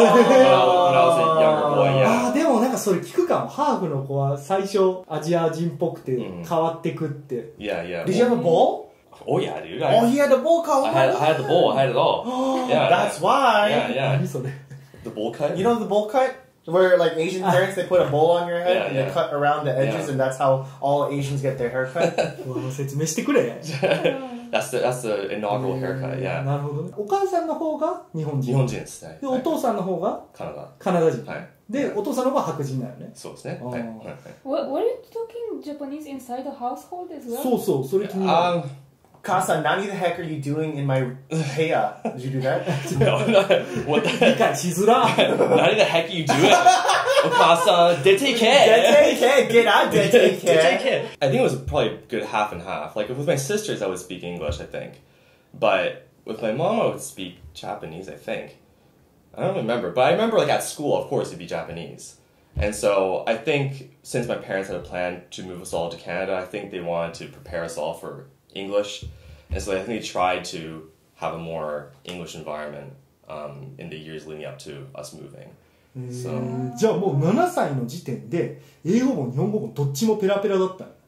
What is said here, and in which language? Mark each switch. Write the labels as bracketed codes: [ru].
[ja] あでもなんかそれ聞くかも。ハーフの子は最初アジア人っぽくて変わってくって。いやいや。 [en] Did you have a ball? Oh yeah, dude. Oh, he had a ball cut. I had the ball. I had it all. Yeah, that's why. Yeah, yeah. [ja] 何それ? [en] The ball cut? You know the ball cut? Where like Asian parents, they put a ball on your head yeah, and yeah. they cut around the edges、 yeah. and that's how all Asians get their hair cut. [ja] 説明してくれ。 [en] That's the inaugural haircut, yeah. [ja] なるほど。お母さんの方が日本人。日本人ですね。で、お父さんの方がカナダ。カナダ人。はい。で、お父さんの方が白人だよね。そうですね。はい。 [en] What are you talking Japanese inside the household as well? [ja] そうそう、それ気になる。母さん、何 [en] the heck are you doing in my hair? Did you do that? No, no. [ja] 理解しづら。何 [en] the heck are you doing? [ja] お母さん、出ていけ。出ていけ。 [en] Get out, [ja] 出ていけ。 [en] I think it was probably good half and half. Like, with my sisters, I would speak English, I think. But with my mom, I would speak Japanese, I think. I don't remember, but I remember like at school, of course, it'd be Japanese. And so I think since my parents had a plan to move us all to Canada, I think they wanted to prepare us all for English. And so I think they tried to have a more English environment in the years leading up to us moving. So, [ja] じゃあもう7歳の時点で英語も日本語もどっちもペラペラだった。